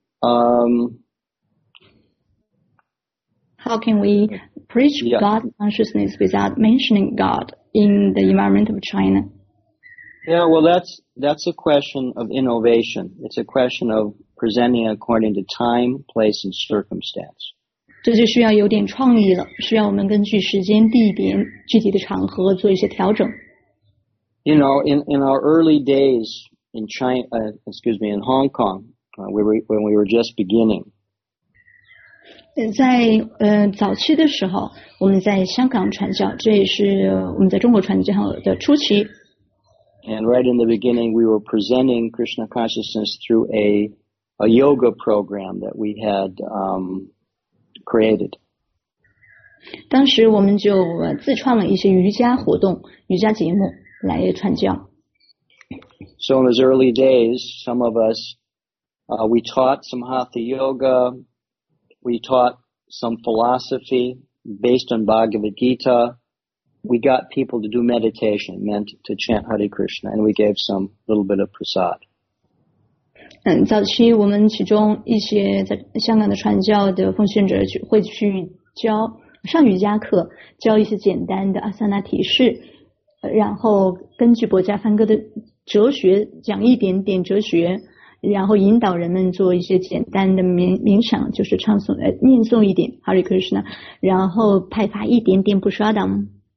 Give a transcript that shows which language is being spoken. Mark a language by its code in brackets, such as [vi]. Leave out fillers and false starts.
[en] How can we preach God consciousness without mentioning God in the environment of China? Yeah, well, that's a question of innovation. It's a question of presenting according to time, place, and circumstance. [zh] 这就需要有点创意了，需要我们根据时间、地点、具体的场合做一些调整。 [en] You know, in our early days in China, in Hong Kong, when we were just beginning. [zh] 在早期的时候，我们在香港传教，这也是我们在中国传教的初期。 [en] And right in the beginning, we were presenting Krishna consciousness through a yoga program that we had created. [zh] 当时我们就自创了一些瑜伽活动、瑜伽节目来传教。 [en] So in those early days, some of us, we taught some hatha yoga, we taught some philosophy based on Bhagavad Gita. We got people to do meditation, meant to chant Hare Krishna, and we gave some little bit of prasad. [zh] 早期我们其中一些在香港的传教的奉献者会去教上瑜伽课，教一些简单的阿萨那体式，然后根据博伽梵歌的哲学讲一点点哲学，然后引导人们做一些简单的冥想，就是唱诵念诵一点 Hare Krishna， 然后派发一点点布刷党。